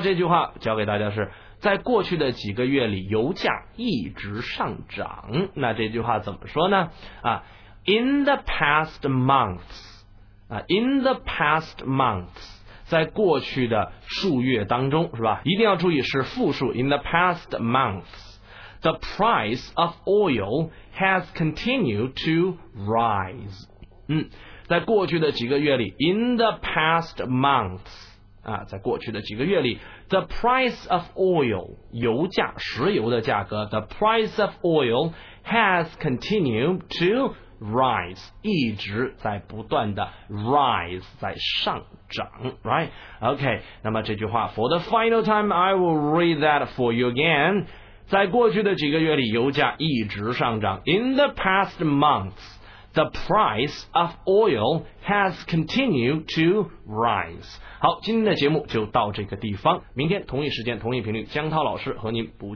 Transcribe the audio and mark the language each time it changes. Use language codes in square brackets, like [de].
[zh] 这句话教给大家是在过去的几个月里，油价一直上涨。那这句话怎么说呢？ [en] 啊 ，in the past months， 啊 ，in the past months。 [zh] 在过去的数月当中，是吧？一定要注意是复数。 [en] In the past months, the price of oil has continued to rise. [zh] 在过去的几个月里 ， [en] in the past months [zh] 啊，在过去的几个月里 ， [en] the price of oil [zh] 油价，石油的价格 ， [en] the price of oil has continued to rise [zh] 一直在不断的 rise 在上涨 ，right？ [en] OK， [zh] 那么这句话 [en] for the final time， I will read that for you again。 [zh] 在过去的几个月里，油价一直上涨。 [en] In the past months, the price of oil has continued to rise。 [zh] 好，今天的节目就到这个地方，明天同一时间同一频率，江涛老师和您不见。